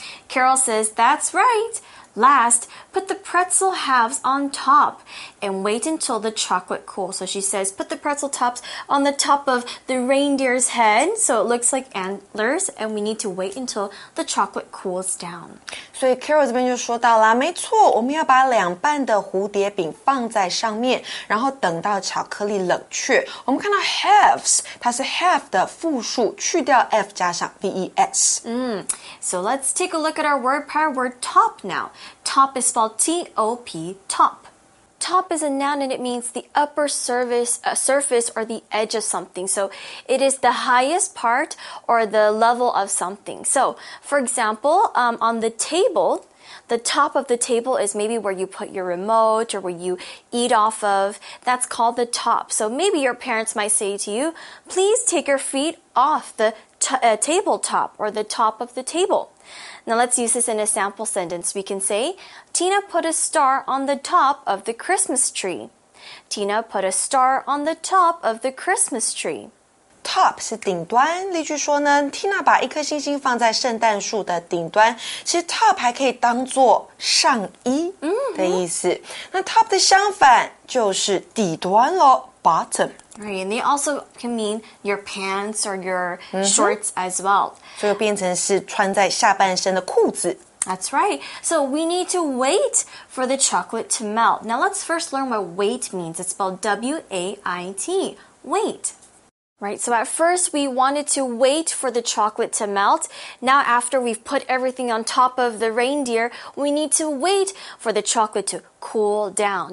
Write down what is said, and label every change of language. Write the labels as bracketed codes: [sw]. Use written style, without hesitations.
[en] Carol says, that's right. Last, put the pretzel halves on top and wait until the chocolate cools. So she says, put the pretzel tops on the top of the reindeer's head so it looks like antlers and we need to wait until the chocolate cools down. [zh] 所以 Carol 这边就说到了，没错，我们要把两半的蝴蝶饼放在上面，然后等到巧克力冷却。我们看到 halves, 它是 half 的复数，去掉 F 加上 V-E-S. [en] So let's take a look at our word pair word top now. Top is spelled T-O-P, top. Top is a noun and it means the upper surface or the edge of something. So it is the highest part or the level of something. So, for example, on the table, the top of the table is maybe where you put your remote or where you eat off of. That's called the top. So maybe your parents might say to you, please take your feet off the tabletop or the top of the table. Now let's use this in a sample sentence. We can say, Tina put a star on the top of the Christmas tree. Tina put a star on the top of the Christmas tree. [zh] Top 是顶端。例句说呢 ,Tina 把一颗星星放在圣诞树的顶端。其实 top 还可以当作上衣的意思。那 top 的相反就是底端咯 ,bottom. [en] Right, and they also can mean your pants or your shorts as well. [zh] 所以变成是穿在下半身的裤子。 [en] That's right. So we need to wait for the chocolate to melt. Now let's first learn what wait means. It's spelled W-A-I-T, wait. Right, so at first we wanted to wait for the chocolate to melt. Now after we've put everything on top of the reindeer, we need to wait for the chocolate to cool down.